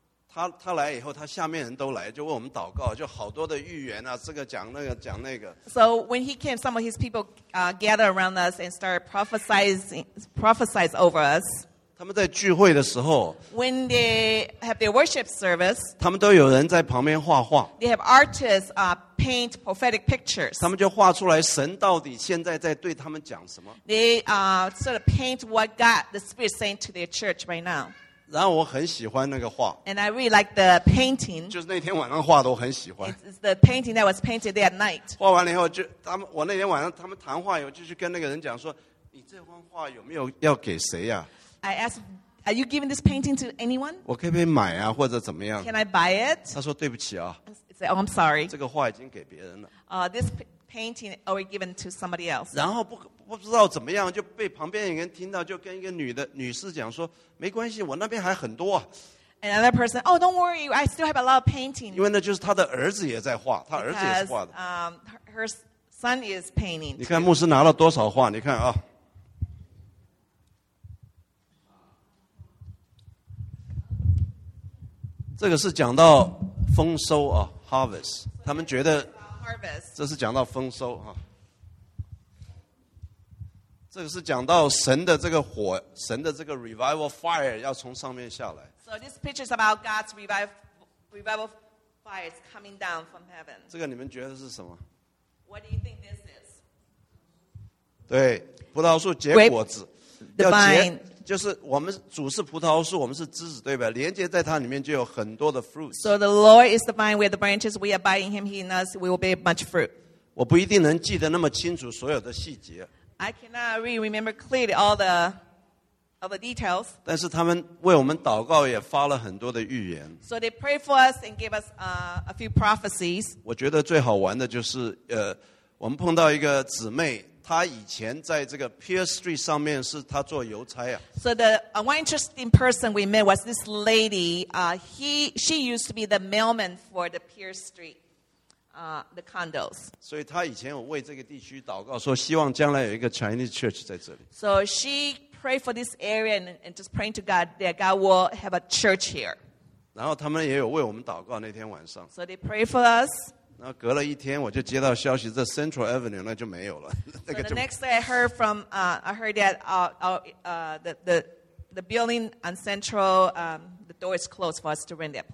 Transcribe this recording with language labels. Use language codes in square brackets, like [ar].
[zh] 他来以后,他下面人都来,就为我们祷告,就好多的预言啊,这个讲那个,讲那个。 [en] So when he came, some of his people gathered around us and started prophesizing over us. [zh] 他们在聚会的时候, [en] when they have their worship service, [zh] 他们都有人在旁边画画, [en] they have artists paint prophetic pictures. [zh] 他们就画出来神到底现在在对他们讲什么。 [en] They sort of paint what God, the Spirit, is saying to their church right now. [zh] 然后我很喜欢那个画, [en] and I really like the painting. [zh] 就是那天晚上画的我很喜欢。 [en] It's the painting that was painted that night. [zh] 画完了以后,就,他们, 我那天晚上他们谈话以后就去跟那个人讲说, 你这幅画有没有要给谁啊? [en] I asked, are you giving this painting to anyone? [zh] 我可不可以买啊, 或者怎么样? [en] Can I buy it? [zh] 他说对不起啊, [en] he said, oh, I'm sorry. [zh] 这个画已经给别人了。 [en] This painting already given to somebody else. [zh] 然后不知道怎么样, 就被旁边有人听到, 就跟一个女士讲说, 没关系, 我那边还很多啊。 [en] Another person, oh, don't worry, I still have a lot of painting. [zh] 因为那就是她的儿子也在画, 她儿子也是画的。 [en] Because, her son is painting. [zh] 你看牧师拿了多少画, 你看啊。这个是讲到丰收啊, harvest. 他们觉得这是讲到丰收啊。这个是讲到神的这个火, 神的这个 [en] revival fire [zh] 要从上面下来。 [en] So this picture is about God's revival fire coming down from heaven. [zh] 这个你们觉得是什么? [en] What do you think this is? [zh] 对, 葡萄树结果子。 [en] Divine. [zh] 就是我们主是葡萄树, 我们是枝子, 对吧?连接在它里面就有很多的fruits. [en] So the Lord is the vine, we are the branches, we abide in him, he in us, we will bear much fruit. [zh] 我不一定能记得那么清楚所有的细节。 [en] I cannot really remember clearly all the details. [zh] 但是他们为我们祷告也发了很多的预言。 [en] So they prayed for us and gave us a few prophecies. [zh] 我觉得最好玩的就是, 我们碰到一个姊妹, 他以前在这个 Pier Street 上面是他做邮差啊。 [en] So the one interesting person we met was this lady. She used to be the mailman for the Pier Street, the condos. [zh] 所以他以前有为这个地区祷告，说希望将来有一个 [en] Chinese church [zh] 在这里。 [en] So she prayed for this area and just praying to God that God will have a church here. [zh] 然后他们也有为我们祷告那天晚上。 [en] So they pray for us. [zh] 然后隔了一天我就接到消息, 这 Central Avenue 那就没有了。 [en] So the next day I heard from, I heard that the building on Central, the door is closed for us to rent that place.